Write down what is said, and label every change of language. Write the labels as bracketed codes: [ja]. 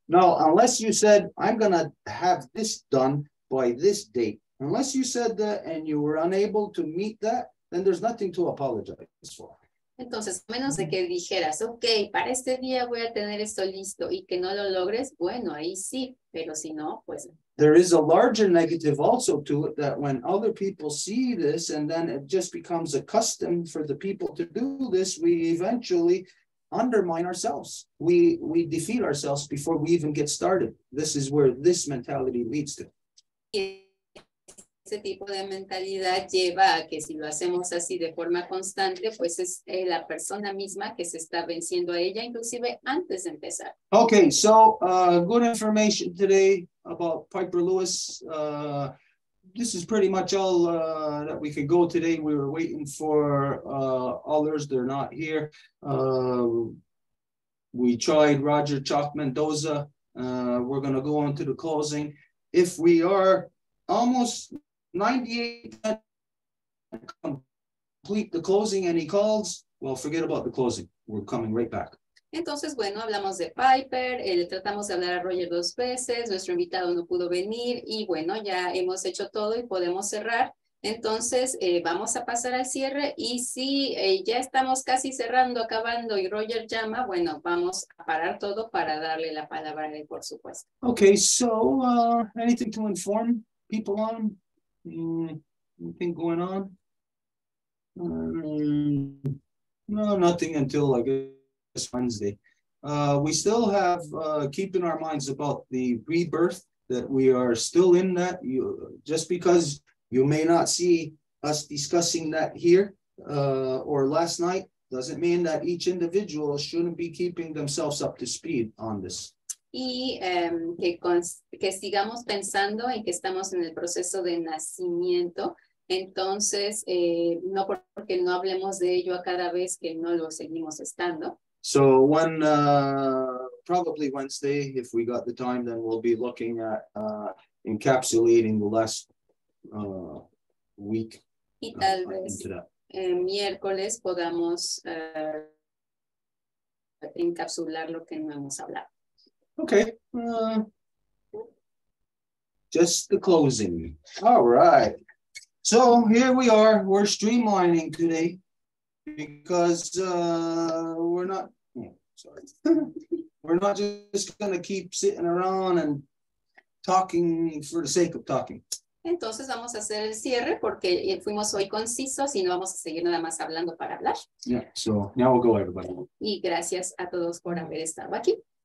[en] No, unless you said, I'm going to have this done by this date. Unless you said that and you were unable to meet that, then there's nothing to apologize for. [es] Entonces, a menos de que dijeras, okay, para este día voy a tener esto listo y que no lo logres, bueno, ahí sí, pero si no, pues... [en] There is a larger negative also to it that when other people see this and then it just becomes a custom for the people to do this, we eventually undermine ourselves. We defeat ourselves before we even get started. This is where this mentality leads to. [es] Ese tipo de mentalidad lleva a que si lo hacemos así de forma constante, pues es la persona misma que se está venciendo a ella, inclusive antes de empezar. [en] Okay, so good information today about Piper Lewis. This is pretty much all that we could go today. We were waiting for others. They're not here. We tried Roger Chalk-Mendoza. We're going to go on to the closing. If we are almost 98% complete the closing and he calls, well, forget about the closing. We're coming right back. [es] Entonces, bueno, hablamos de Piper, le tratamos de hablar a Roger dos veces, nuestro invitado no pudo venir, y bueno, ya hemos hecho todo y podemos cerrar. Entonces, vamos a pasar al cierre, y si ya estamos casi cerrando, acabando, y Roger llama, bueno, vamos a parar todo para darle la palabra a él, por supuesto. [en] Okay, so, anything to inform people on? Anything going on? No, nothing until, I guess, Wednesday. We still have keep in our minds about the rebirth that we are still in that. You, just because you may not see us discussing that here or last night doesn't mean that each individual shouldn't be keeping themselves up to speed on this. [es] Y que sigamos pensando en que estamos en el proceso de nacimiento. Entonces, no porque no hablemos de ello a cada vez que no lo seguimos estando. [en] So one, probably Wednesday, if we got the time, then we'll be looking at encapsulating the last week. [es] Y tal vez miércoles podamos encapsular lo que no hemos hablado. [en] Okay. Just the closing. All right. So here we are. We're streamlining today because we're not just going to keep sitting around and talking for the sake of talking. [es] Entonces vamos a hacer el cierre porque fuimos hoy concisos y no vamos a seguir nada más hablando para hablar. [en] Yeah, so now we'll go, everybody. [es] Y gracias a todos por haber estado aquí.